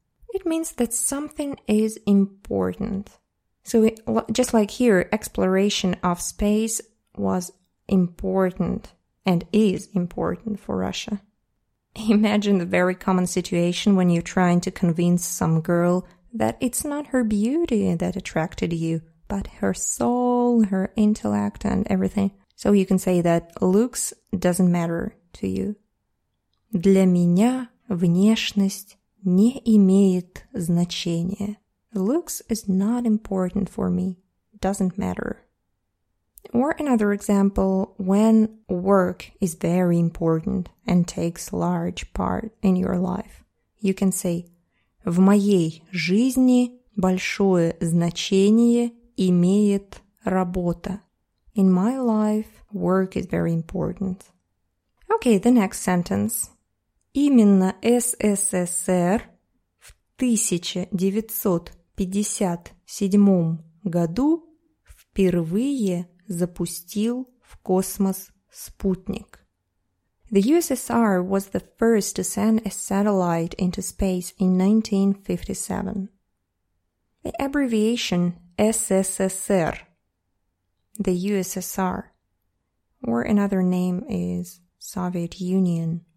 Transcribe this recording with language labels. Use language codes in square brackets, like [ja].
[en] It means that something is important. So just like here, exploration of space was important and is important for Russia. Imagine the very common situation when you're trying to convince some girl that it's not her beauty that attracted you, but her soul, her intellect and everything. So you can say that looks doesn't matter to you. [ru] Для меня внешность не имеет значения. [en] Looks is not important for me. Doesn't matter. Or another example, when work is very important and takes large part in your life, you can say [ru] в моей жизни большое значение имеет работа. [en] In my life, work is very important. Okay, the next sentence. [ru] Именно СССР в 1957 году впервые запустил в космос спутник. [en] The USSR was the first to send a satellite into space in 1957. The abbreviation [ru] СССР, [en] the USSR, or another name is Soviet Union,